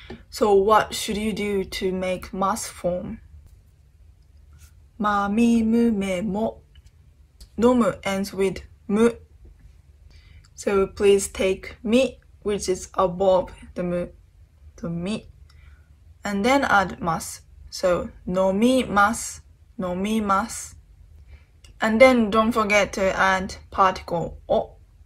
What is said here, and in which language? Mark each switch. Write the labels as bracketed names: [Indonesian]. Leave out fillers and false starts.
[English] So what should you do to make masu form? [Japanese] まみむめも. [English] 飲む ends with む. So please take み, which is above the む, to み, and then add masu. [Japanese] So 飲みます, 飲みます. [English] And then don't forget to add particle お.